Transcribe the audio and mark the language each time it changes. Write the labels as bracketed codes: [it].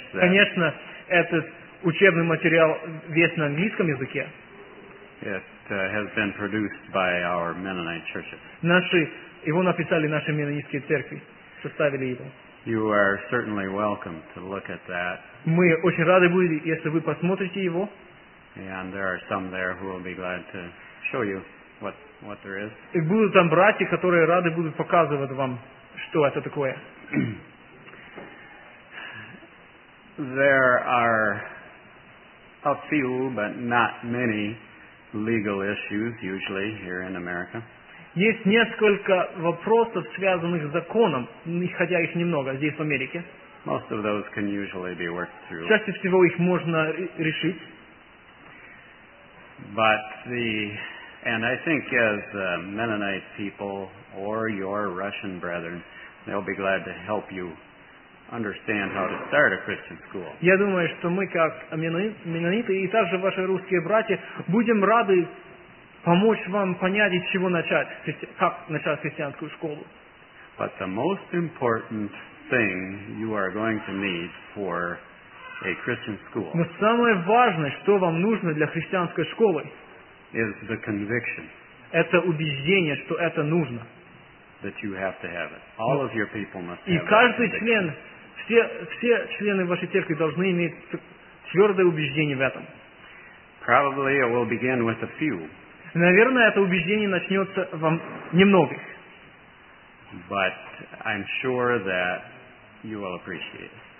[ru] Конечно, этот учебный материал весь на английском языке. [en] Has been produced by our Mennonite churches. [ru] Его написали наши Меннонитские церкви, составили его. [en] You are certainly welcome to look at that. [ru] Мы очень рады были, если вы посмотрите его. [en] And there are some there who will be glad to show you what there is. [ru] И будут там братья, которые рады будут показывать вам, что это такое. [en] There are a few, but not many, legal issues usually here in America. [ru] Есть несколько вопросов, связанных с законом, хотя их немного здесь в Америке. [en] Most of those can usually be worked through. [ru] Чаще всего их можно решить. [en] And I think as Mennonite people or your Russian brethren, they'll be glad to help you understand how to start a Christian school. [ru] Я думаю, что мы как меннониты и также ваши русские братья будем рады помочь вам понять, с чего начать, как начать христианскую школу. [en] But the most important thing you are going to need for a Christian school. [ru] Но самое важное, что вам нужно для христианской школы, [en] is the conviction. [ru] Это убеждение, что это нужно. [en] That you have to have it. All of your people must have it. [ru] И каждый член, все члены вашей церкви должны иметь твердое убеждение в этом. [en] Probably it will begin with a few. [ru] Наверное, это убеждение начнется вам немногих. [en] But I'm sure that you will appreciate it.